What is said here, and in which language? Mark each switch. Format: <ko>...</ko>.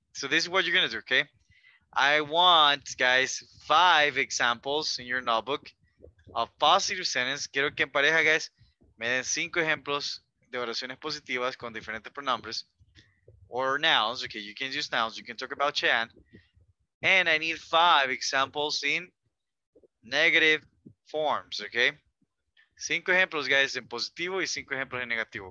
<en>So this is what you're going to do, okay? I want, guys, 5 examples in your notebook of positive sentences.</en> <es>Quiero que en pareja, guys, me den 5 ejemplos de oraciones positivas con diferentes pronombres</es> <en>or nouns. Okay, you can use nouns. You can talk about Chan. And I need 5 examples in negative forms, okay?</en> <es>5 ejemplos, guys, en positivo y 5 ejemplos en negativo.</es>